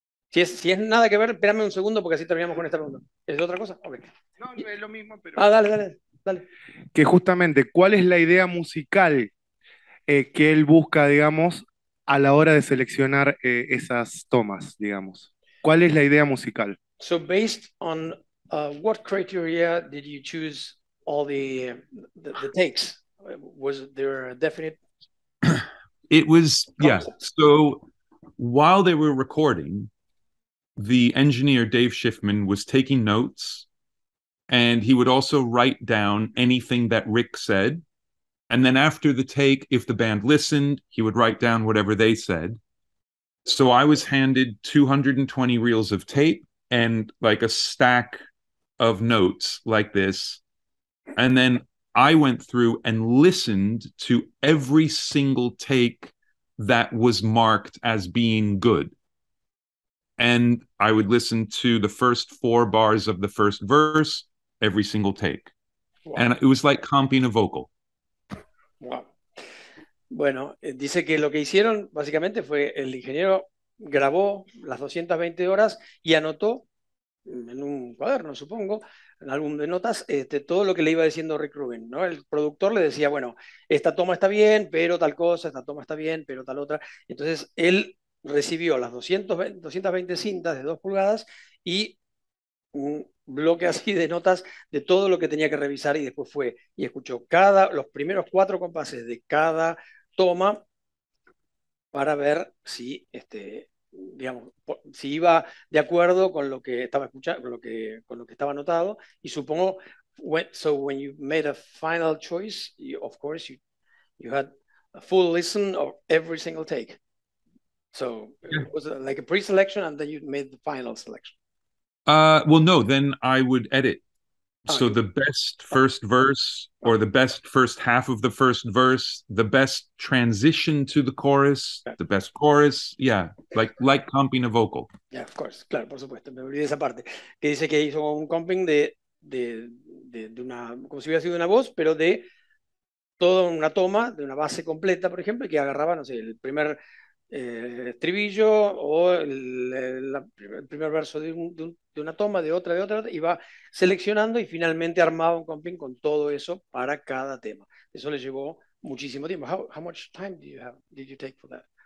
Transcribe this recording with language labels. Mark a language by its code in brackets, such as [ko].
[es] Si es nada que ver, espérame un segundo porque así terminamos con esta pregunta. ¿Es otra cosa? Okay. No, es lo mismo, pero... Ah, dale. Que justamente, ¿cuál es la idea musical que él busca, digamos, a la hora de seleccionar esas tomas, digamos? ¿Cuál es la idea musical? [en] So based on what criteria did you choose all the takes? Was there a definite... It was, yeah. So while they were recording, the engineer, Dave Schiffman, was taking notes, and he would also write down anything that Rick said. And then after the take, if the band listened, he would write down whatever they said. So I was handed 220 reels of tape and like a stack of notes like this. And then I went through and listened to every single take that was marked as being good. And I would listen to the first 4 bars of the first verse every single take. Wow. And it was like comping a vocal. Wow. [es] Bueno, dice que lo que hicieron básicamente fue el ingeniero grabó las 220 horas y anotó en un cuaderno, supongo, en álbum de notas, todo lo que le iba diciendo Rick Rubin, ¿no? El productor le decía, bueno, esta toma está bien, pero tal cosa, esta toma está bien, pero tal otra. Entonces él recibió las 220 cintas de 2 pulgadas y un bloque así de notas de todo lo que tenía que revisar y después fue y escuchó cada los primeros 4 compases de cada toma para ver si digamos si iba de acuerdo con lo que estaba escuchando, con lo que estaba anotado. Y supongo, [en] so when you made a final choice, you, of course you had a full listen of every single take. So it was like a pre-selection and then you made the final selection. Well, no, then I would edit. So okay. The best first verse or the best first half of the first verse, the best transition to the chorus, okay. The best chorus. Yeah, like comping a vocal. Yeah, of course. [es] Claro, por supuesto. Me olvidé esa parte. Que dice que hizo un comping de una, como si hubiera sido una voz, pero de toda una toma, de una base completa, por ejemplo, que agarraba, no sé, el primer... estribillo o el primer verso de una toma, de otra, y va seleccionando y finalmente armaba un comping con todo eso para cada tema. Eso le llevó muchísimo tiempo. [en] How much time did you take for that?